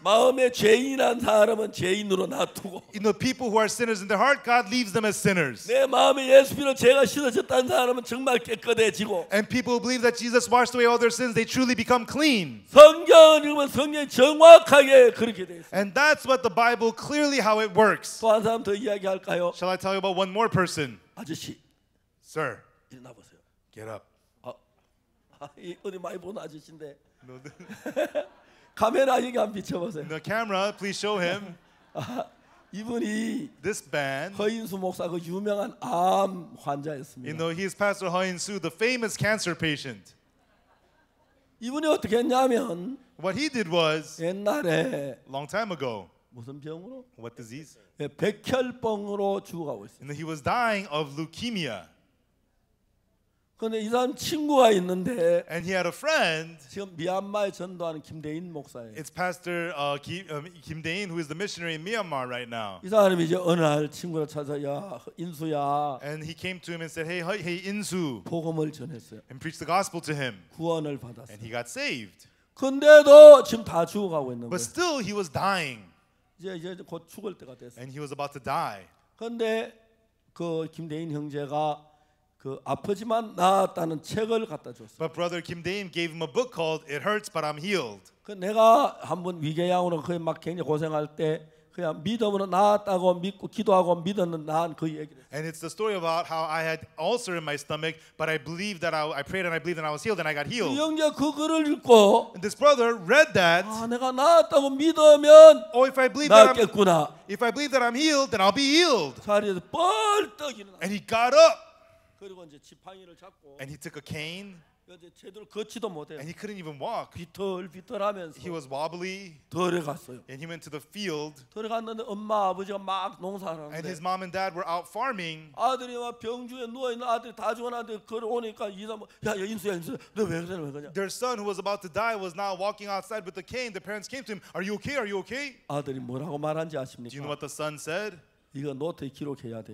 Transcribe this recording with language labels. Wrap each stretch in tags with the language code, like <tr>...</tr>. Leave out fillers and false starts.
<ko>마음에 죄인한 사람은 죄인으로 놔두고.</ko> <en>You know, people who are sinners in their heart, God leaves them as sinners.</en> <ko>내 마음에 예수피로 죄가 씻어졌다는 사람은 정말 깨끗해지고.</ko> <en>And people who believe that Jesus washed away all their sins, they truly become clean.</en> <ko>성경은 읽으면 성경이 정확하게 그렇게 돼 있어.</ko> <en>And that's what the Bible clearly how it works.</en> <ko>또 한 사람 더 이야기할까요?</ko> <en>Shall I tell you about one more person?</en> <ko>아저씨.</ko> <en>Sir.</en> <ko>일어나 보세요.</ko> <en>Get up.</en> <ko>이 어디 많이 본 아저씨인데 카메라 여기 한번 비춰보세요</ko> <en>The camera, please show him</en> <ko>이분이</ko> <en>This man</en> <ko>허인수 목사 그 유명한 암 환자였습니다</ko> <en>You know, he's Pastor 허인수, the famous cancer patient</en> <ko>이분이 어떻게 했냐면</ko> <en>What he did was</en> <ko>옛날에</ko> <en>Long time ago</en> <ko>무슨 병으로?</ko> <en>What disease?</en> <ko>예, 백혈병으로 죽어가고 있어요</ko> <en>And he was dying of leukemia</en> <ko>근데 이 사람 친구가 있는데</ko> <en>And he had a friend,</en> <ko>지금 미얀마에 전도하는 김대인 목사예요.</ko> <en>It's Pastor Kim Dae-in who is the missionary in Myanmar right now.</en> <ko>이 사람이 이제 어느 날 친구를 찾아 야 인수야.</ko> <en>And he came to him and said, Hey, Insu.</en> <ko>복음을 전했어요.</ko> <en>And preached the gospel to him.</en> <ko>구원을 받았어요.</ko> <en>And he got saved.</en> <ko>근데도 지금 다 죽어가고 있는 거예요.</ko> <en>But still, he was dying.</en> <ko>이제 곧 죽을 때가 됐어요.</ko> <en>And he was about to die.</en> <ko>근데 그 김대인 형제가 그 아프지만 나았다는 책을 갖다 줬어.</ko> <en>But brother Kim Dae-in gave him a book called It Hurts But I'm Healed.</en> <ko>그 내가 한번 위궤양으로 그 막 굉장히 고생할 때 그냥 믿음으로 나았다고 믿고 기도하고 믿었는 난 그 얘기를.</ko> <en>And it's the story about how I had ulcer in my stomach but I believed that I prayed and I believed and I was healed and I got healed.</en> <ko>이 형제 그 글을 읽고</ko> <en>And this brother read that</en> <ko>아 내가 나았다고 믿으면</ko> <en>Oh if I believe that</en> <ko>나았겠구나.</ko> <en>If I believe that I'm healed then I'll be healed.</en> <ko>자리에서 뻘떡 일어나.</ko> <en>And he got up.</en> <ko>그리고 이제 지팡이를 잡고</ko> <en>And he took a cane.</en> <ko>이제 제대로 걷지도 못해요.</ko> <en>And he couldn't even walk.</en> <ko>비틀비틀하면서</ko> <en>He was wobbly.</en> <ko>돌아갔어요.</ko> <en>And he went to the field.</en> <ko>돌아갔는데 엄마 아버지가 막 농사하는데</ko> <en>And his mom and dad were out farming.</en> <ko>아들이 막 병중에 누워 있는 아들이 다 죽었는데 걸어오니까 이사 야 인수야 인수 너 왜 그래 왜 그냥</ko> <en>Their son who was about to die was now walking outside with the cane. The parents came to him. Are you okay? Are you okay?</en> <ko>아들이 뭐라고 말한지 아십니까?</ko> <en>Do you know what the son said?</en> <ko>이거 노트에 기록해야 돼.</ko>